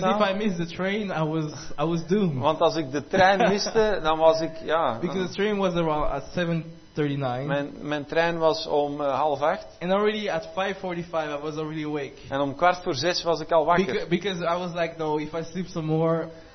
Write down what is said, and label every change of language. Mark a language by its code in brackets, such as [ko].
[en] Because if I missed the train, I was doomed. [nl] Want als ik de trein miste, dan was ik ja. [en] Because the train was around at 7:39. [nl] Mijn trein was om 7:30. [en] And already at 5:45 I was already awake. [nl] En om 6:15 was ik al wakker. [en] Because I was like, no, if I sleep some more.